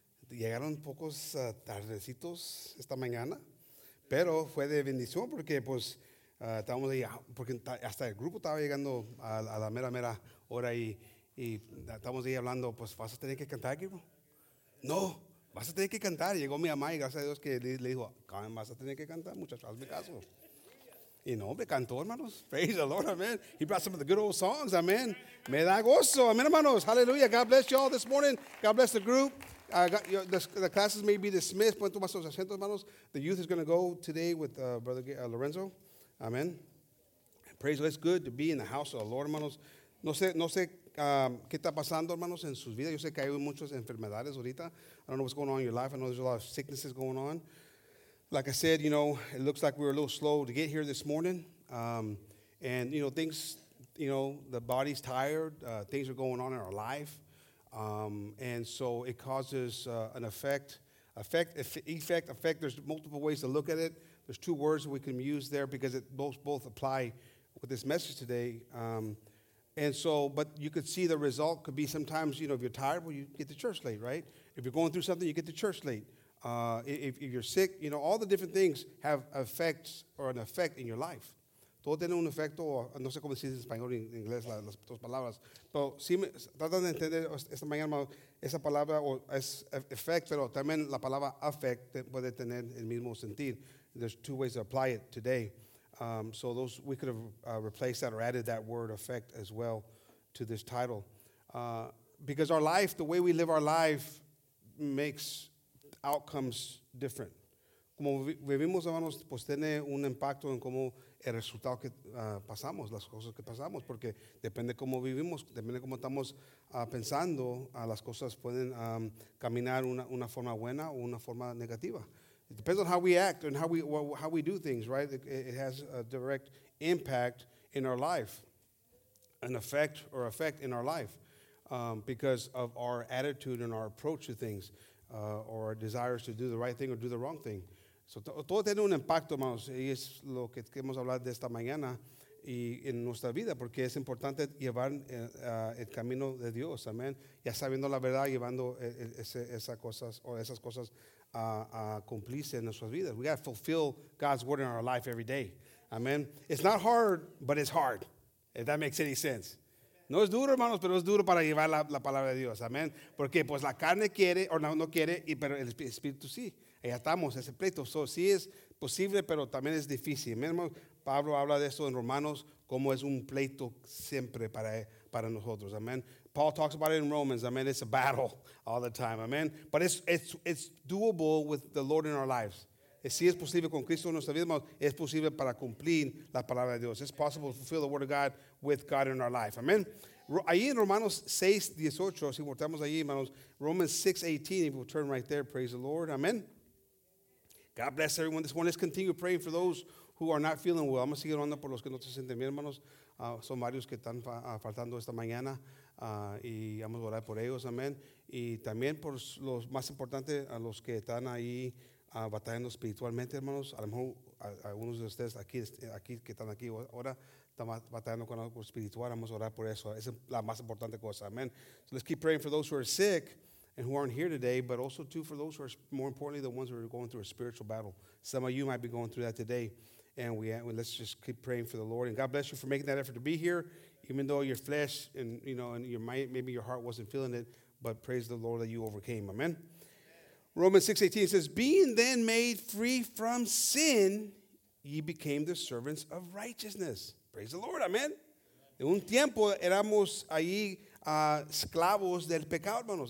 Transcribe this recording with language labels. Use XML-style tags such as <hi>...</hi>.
<es>Llegaron pocos tardecitos esta mañana, pero fue de bendición porque pues estábamos ahí, porque hasta el grupo estaba llegando a la mera hora y estábamos ahí hablando, pues vas a tener que cantar, Gabe. No, vas a tener que cantar. Llegó mi mamá y gracias a Dios que le dijo, vas a tener que cantar, muchachos, hazme caso. Y no, me cantó, hermanos.</es> <en>Praise the Lord, amen. He brought some of the good old songs, amen.</en> <es>Me da gozo,</es> <en>amen, hermanos. Hallelujah. God bless you all this morning. God bless the group. The classes may be dismissed.</en> <es>Puente más los asientos, hermanos.</es> <en>The youth is going to go today with Brother Lorenzo. Amen. Praise the Lord. It's good to be in the house of the Lord, hermanos.</en> <es>No sé qué está pasando, hermanos, en sus vidas. Yo sé que hay muchas enfermedades ahorita.</es> <en>I don't know what's going on in your life. I know there's a lot of sicknesses going on. Like I said, you know, it looks like we were a little slow to get here this morning. And, you know, things, you know, the body's tired. Things are going on in our life. And so it causes an effect. There's multiple ways to look at it. There's two words we can use there because it both apply with this message today. But you could see the result could be sometimes, you know, if you're tired, well, you get to church late, right? If you're going through something, you get to church late. If you're sick, you know, all the different things have effects or an effect in your life.</en> <es>Todo tiene un efecto, no sé cómo decir en español y en inglés las dos palabras. Pero sí, tratan de entender esta mañana esa palabra o es effect, pero también la palabra affect puede tener el mismo sentido.</es> <en>There's two ways to apply it today. So those we could have replaced that or added that word effect as well to this title. Because our life, the way we live our life makes outcomes different.</en> <es>Como vivimos, hermanos, pues tiene un impacto en cómo el resultado que pasamos, las cosas que pasamos, porque depende cómo vivimos, depende cómo estamos pensando, las cosas pueden caminar una forma buena o una forma negativa.</es> <en>It depends on how we act and how we do things, right? It has a direct impact in our life, an effect or effect in our life, because of our attitude and our approach to things. Or our desires to do the right thing or do the wrong thing.</en> <es>So todo tiene un impacto, hermanos, y es lo que queremos hablar de esta mañana y en nuestra vida, porque es importante llevar el camino de Dios, amén. Ya sabiendo la verdad, llevando esas cosas a cumplirse en nuestras vidas.</es> <en>We got to fulfill God's word in our life every day,</en> <es>amén.</es> <en>It's not hard, but it's hard, if that makes any sense.</en> <es>No es duro, hermanos, pero es duro para llevar la palabra de Dios. Amén. Porque pues la carne quiere o no quiere, pero el Espíritu sí. Allá estamos, ese pleito. So, sí es posible, pero también es difícil. Mismo Pablo habla de esto en Romanos, como es un pleito siempre para nosotros.</es> <en>Amén. Paul talks about it in Romans. Amén. It's a battle all the time. Amén. But it's doable with the Lord in our lives.</en> <es>Si es posible con Cristo en nuestra vida, es posible para cumplir la palabra de Dios.</es> <en>It's possible to fulfill the word of God with God in our life. Amen.</en> <es>Ahí en Romanos 6, 18, si voltamos ahí, hermanos,</es> <en>Romans 6, 18, if we'll turn right there, praise the Lord. Amen. God bless everyone this morning. Let's continue praying for those who are not feeling well.</en> <es>Vamos a seguir orando por los que no se sienten bien, hermanos. Son varios que están faltando esta mañana. Y vamos a orar por ellos. Amen. Y también por los más importantes, a los que están ahí batallando espiritualmente, hermanos. A lo mejor algunos de ustedes aquí que están aquí ahora están batallando con algo espiritual. Vamos a orar por eso. Es la más importante cosa. Amen.</es> <en>So let's keep praying for those who are sick and who aren't here today, but also too for those who are, more importantly, the ones who are going through a spiritual battle. Some of you might be going through that today. And let's just keep praying for the Lord. And God bless you for making that effort to be here, even though your flesh and, you know, and your mind, maybe your heart wasn't feeling it, but praise the Lord that you overcame. Amen. Romans 6:18 says, being then made free from sin, ye became the servants of righteousness. Praise the Lord. Amen.</en> <es>De un tiempo éramos allí esclavos del pecado, hermanos.</es>